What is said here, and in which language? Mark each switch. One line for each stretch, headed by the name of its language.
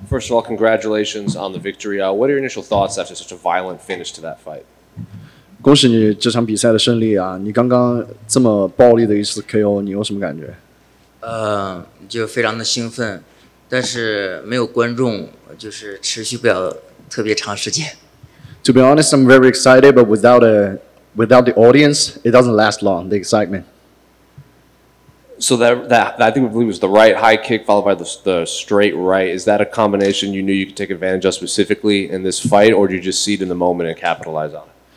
English: First of all, congratulations on the victory. What are your initial thoughts after such a violent finish to that fight?
Chinese: 恭喜你这场比赛的胜利啊！你刚刚这么暴力的一次KO，你有什么感觉？就非常的兴奋，但是没有观众，就是持续不了特别长时间。
English: To be honest, I'm very excited, but without the audience, it doesn't last long, the excitement. So that I think it was the right high kick followed by the straight right. Is that a combination you knew you could take advantage of specifically in this fight, or did you just see it in the moment and capitalize on it?